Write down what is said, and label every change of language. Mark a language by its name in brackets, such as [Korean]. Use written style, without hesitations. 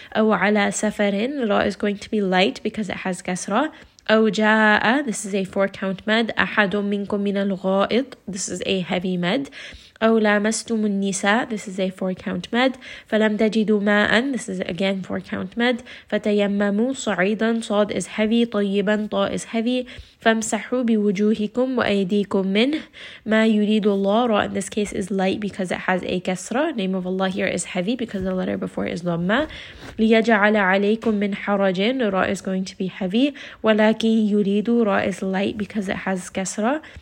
[Arabic] أَوْ عَلَى سَفَرٍ, [English] ra is going to be light because it has kasra. [Arabic] أَوْ جَاءَ, [English] this is a four count mad. [Arabic] أَحَدٌ مِنْكُمْ مِنَ الْغَائِطِ, [English] this is a heavy mad. [Arabic] أَوْ لَامَسْتُمُ النِّسَاءِ, [English] this is a four-count mad. [Arabic] فَلَمْ تَجِدُوا مَاءً, [English] this is again four-count mad. [Arabic] فَتَيَمَّمُوا صَعِيدًا, صَاد [English] is heavy. [Arabic] طَيِّبًا, [English] طَا is heavy. [Arabic] فَامْسَحُوا بِوُجُوهِكُمْ وَأَيْدِيكُمْ مِنْهِ مَا يُرِيدُ اللَّهُ, [English] ra in this case is light because it has a kasra. Name of Allah here is heavy because the letter before is dhamma. [Arabic] لِيَجَعَلَ عَلَيْكُمْ مِنْ حَرَجٍ, [English] ra is going to be heavy. [Arabic] وَلَكِنْ يُرِيدُ, [English] ra is light because it has kasra.